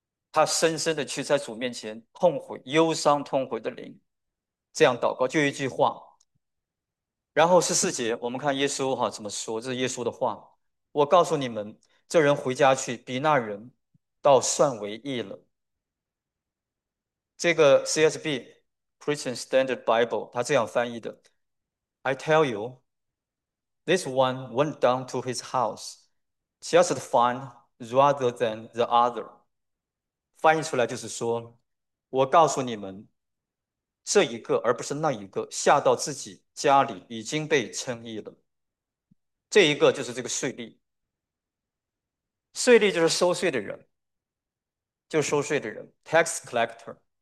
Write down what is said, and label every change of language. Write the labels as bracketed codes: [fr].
[zh] 他深深的去在主面前痛悔，忧伤痛悔的灵，这样祷告，就一句话。然后14节，我们看耶稣哈怎么说，这是耶稣的话。我告诉你们，这人回家去，比那人倒算为义了。这个 CSB Christian Standard Bible 他这样翻译的： [en] I tell you, this one went down to his house just fine rather than the other。 [zh] 翻译出来就是说，我告诉你们，这一个而不是那一个下到自己家里已经被称义了。这一个就是这个税吏，税吏就是收税的人，就是收税的人，tax collector。